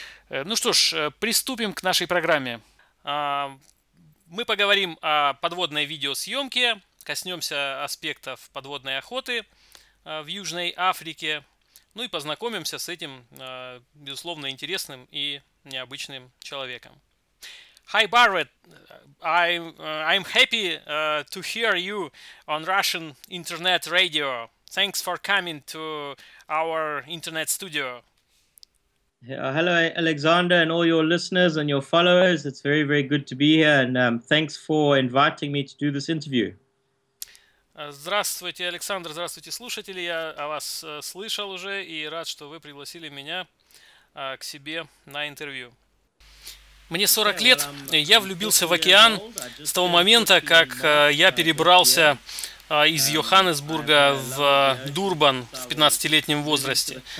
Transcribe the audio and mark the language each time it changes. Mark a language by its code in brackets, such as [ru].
[ru] Ну что ж, приступим к нашей программе. Мы поговорим о подводной видеосъемке, коснемся аспектов подводной охоты в Южной Африке, ну и познакомимся с этим, безусловно, интересным и необычным человеком. [en] Hi, Barrett. I'm happy to hear you on Russian Internet Radio. Thanks for coming to our internet studio. Yeah, hello, Alexander, and all your listeners and your followers. It's very, very good to be here, and thanks for inviting me to do this interview. [ru] Здравствуйте, Александр, здравствуйте, слушатели. Я о вас слышал уже и рад, что вы пригласили меня к себе на интервью. Мне 40 лет, я влюбился в океан с того момента, как я перебрался из Йоханнесбурга в Дурбан в 15-летнем возрасте.